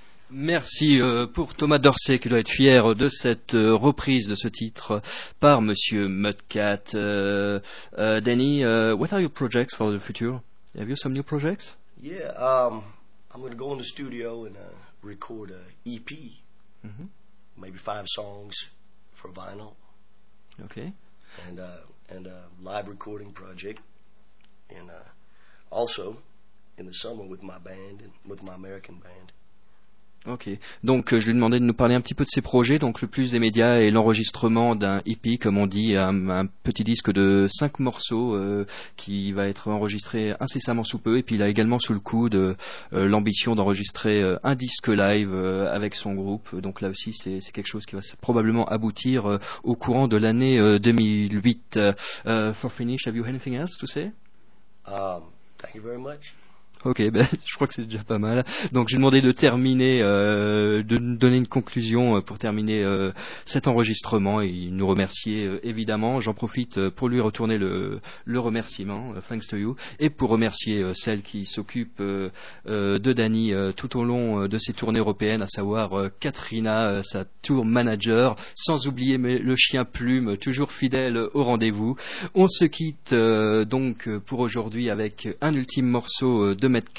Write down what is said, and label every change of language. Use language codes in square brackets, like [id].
[fr] Merci pour Thomas Dorsey qui doit être fier de cette reprise de ce titre par Monsieur Mudcat. [en] Danny, what are your projects for the future? Have you some new projects? Yeah, I'm going to go in the studio and record an EP, mm-hmm. maybe 5 songs for vinyl. Okay. And a live recording project, and also in the summer with my band and with my American band. [fr] Ok, donc je lui ai demandé de nous parler un petit peu de ses projets. Donc le plus immédiat est l'enregistrement d'un EP, comme on dit, un petit disque de 5 morceaux qui va être enregistré incessamment sous peu. Et puis il a également sous le coude l'ambition d'enregistrer un disque live avec son groupe. Donc là aussi c'est quelque chose qui va probablement aboutir au courant de l'année 2008. [en] For finish, have you anything else to say? Thank you very much. [fr] Ok, ben, je crois que c'est déjà pas mal. Donc j'ai demandé de terminer, de donner une conclusion pour terminer cet enregistrement et nous remercier évidemment. J'en profite pour lui retourner le remerciement, [en] thanks to you, [fr] et pour remercier celle qui s'occupe de Danny tout au long de ses tournées européennes, à savoir Katrina, sa tour manager, sans oublier le chien Plume, toujours fidèle au rendez-vous. On se quitte donc pour aujourd'hui avec un ultime morceau de